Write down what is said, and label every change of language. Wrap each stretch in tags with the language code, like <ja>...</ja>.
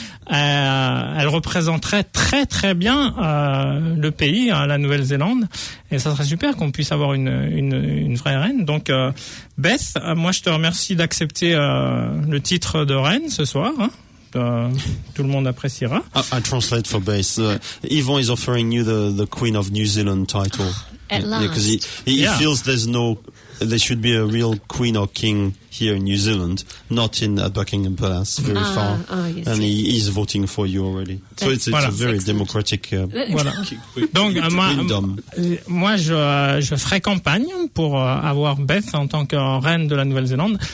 <fr>Elle représenterait très très bien le pays, hein, la Nouvelle-Zélande, et ça serait super qu'on puisse avoir une vraie reine. Donc Beth, moi je te remercie d'accepter le titre de reine ce soir, hein. Tout le monde appréciera.</fr> <en>I translate for Beth. Yvon is offering you the Queen of New Zealand title. At last. Yeah, he feels there should be a real queen or king here in New Zealand, not in Buckingham Palace, very far. Yes, and He is voting for you already. So it's voilà, a very democratic</en> <fr>Donc, moi je ferai campagne pour avoir Beth en tant que reine de la Nouvelle-Zélande.</fr>